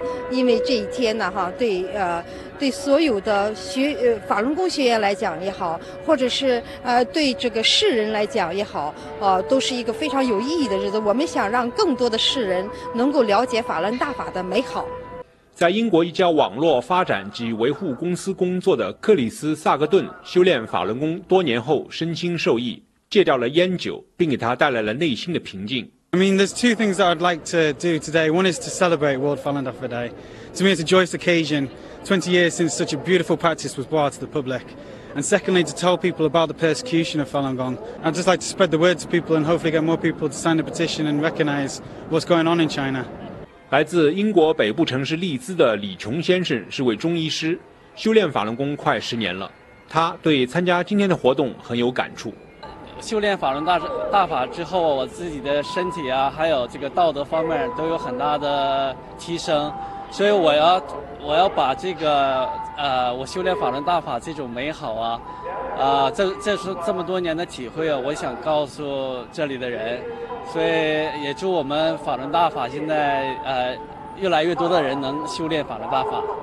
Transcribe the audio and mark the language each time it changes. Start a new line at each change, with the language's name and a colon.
Chinese: 因为这一天呢，哈，对所有的法轮功学员来讲也好，或者是对这个世人来讲也好，都是一个非常有意义的日子。我们想让更多的世人能够了解法轮大法的美好。在英国一家网络发展及维护公司工作的克里斯·萨格顿修炼法轮功多年后，身心受益。戒掉了烟酒，并给他带来了内心的平静。
English: I mean, there's two things that I'd like to do today. One is to celebrate World Falun Dafa Day. To me, it's a joyous occasion. 20 years since such a beautiful practice was brought to the public. And secondly, to tell people about the persecution of Falun Gong. I'd just like to spread the word to people and hopefully get more people to sign the petition and recognize what's going on in China.
Chinese: 来自英国北部城市利兹的李琼先生是位中医师，修炼法轮功快十年了。他对参加今天的活动很有感触。修炼法轮大法之后，我自己的身体啊，还有这个道德方面都有很大的提升，所以我要把这个我修炼法轮大法这种美好啊，这是这么多年的体会啊，我想告诉这里的人，所以也祝我们法轮大法现在越来越多的人能修炼法轮大法。